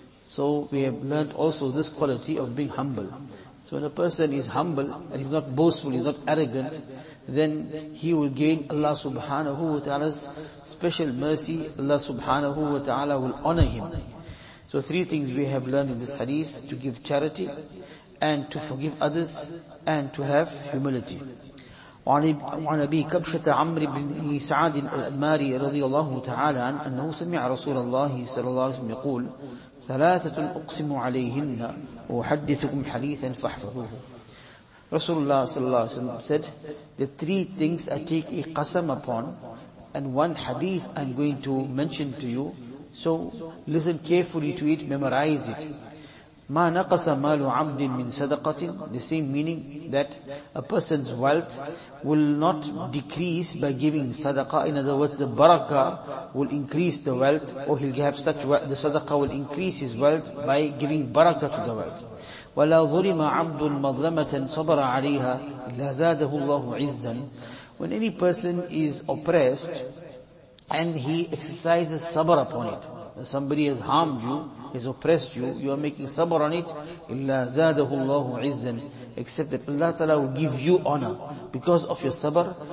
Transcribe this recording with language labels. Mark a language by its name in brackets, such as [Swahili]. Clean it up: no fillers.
[English] So we have learned also this quality of being humble. So when a person is humble and he's not boastful, he's not arrogant, then he will gain Allah subhanahu wa ta'ala's special mercy. Allah subhanahu wa ta'ala will honor him. So three things we have learned in this hadith: to give charity and to forgive others and to have humility. [Arabic] وعن أبي كبشة عمرو بن سعد الألماري رضي الله تعالى أنه سمع رسول الله صلى الله عليه وسلم يقول: ثلاثة أقسم عليهن وأحدثكم حديثا فاحفظوه. [English] Rasulullah sallallahu alayhi wa sallam said, the three things I take a qasam upon, and one hadith I'm going to mention to you, so listen carefully to it, memorize it. [Arabic] ما نقص مال عبد من صدقة, [English] the same meaning that a person's wealth will not decrease by giving sadaqah. In other words, the barakah will increase the wealth, or he'll have such wealth, the sadaqah will increase his wealth by giving barakah to the wealth. [Arabic] ولا ظلم عبد مظلمة صبر عليها إلا زاده الله عزا. [English] When any person is oppressed and he exercises sabr upon it, somebody has harmed you, has oppressed you, you are making sabr on it, [Arabic] إِلَّا زَادَهُ اللَّهُ عِزًّا, [English] except that Allah Ta'ala will give you honor because of your sabr.